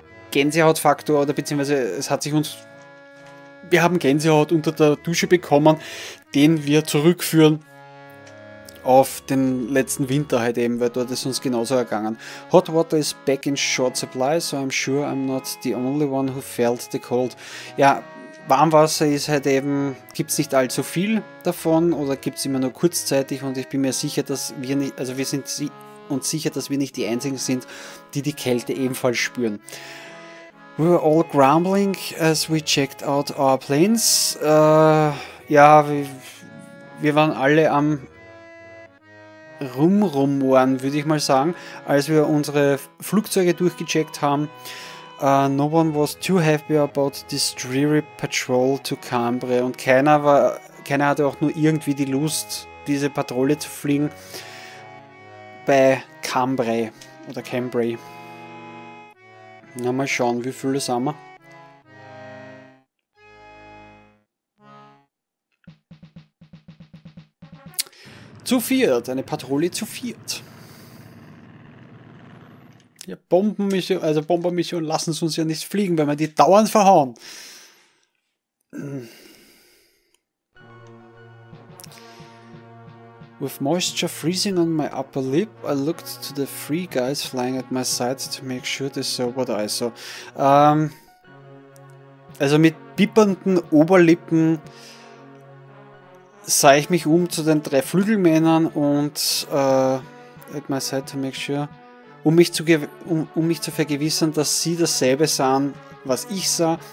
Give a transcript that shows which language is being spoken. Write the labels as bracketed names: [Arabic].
[German] Gänsehautfaktor, oder beziehungsweise wir haben Gänsehaut unter der Dusche bekommen, den wir zurückführen auf den letzten Winter halt eben, weil dort ist uns genauso ergangen. [English] Hot water is back in short supply, so I'm sure I'm not the only one who felt the cold. [German] Ja, Warmwasser ist halt eben, gibt es nicht allzu viel davon oder gibt es immer nur kurzzeitig, und ich bin mir sicher, dass wir nicht, also wir sind uns sicher, dass wir nicht die einzigen sind, die die Kälte ebenfalls spüren. [English] We were all grumbling as we checked out our planes. [German] Wir waren alle am Rumrumoren, würde ich mal sagen, als wir unsere Flugzeuge durchgecheckt haben. [English] No one was too happy about this dreary patrol to Cambrai. [German] Und keiner hatte auch nur irgendwie die Lust, diese Patrouille zu fliegen bei Cambrai oder Cambrai. Na, mal schauen, wie viele sind wir. Zu viert, eine Patrouille zu viert. Ja, Bombenmission, also Bombenmission lassen sie uns ja nicht fliegen, wenn wir die dauernd verhauen. [English] With moisture freezing on my upper lip, I looked to the three guys flying at my side to make sure they saw what I saw. [German] Also mit bippernden Oberlippen sah ich mich um zu den drei Flügelmännern und [English] at my side to make sure, [German] um mich zu vergewissern, dass sie dasselbe sahen, was ich sah.